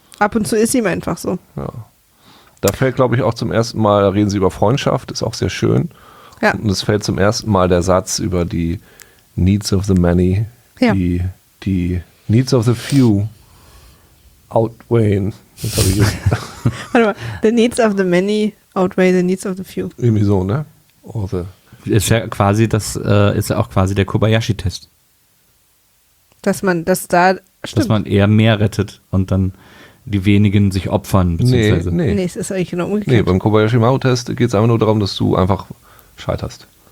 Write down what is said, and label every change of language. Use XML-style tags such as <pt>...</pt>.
<de>Ab und zu ist ihm einfach so. Ja. Da fällt, glaube ich, auch zum ersten Mal, da reden sie über Freundschaft, ist auch sehr schön. Ja. Und es fällt zum ersten Mal der Satz über die</de> <en>Needs of the many,</en> <de>die</de> <en>Needs of the few</en> <de>outweighen. Das habe ich jetzt. Warte mal,</de> <en>the Needs of the many outweigh the Needs of the few.</en> <de>Irgendwie so, ne? Ist ja quasi, das ist ja auch quasi der Kobayashi-Test. Dass man eher mehr rettet und dann die wenigen sich opfern. Nee, es ist eigentlich genau umgekehrt. Nee, beim Kobayashi-Maru-Test geht es einfach nur darum, dass du einfach scheiterst.</de>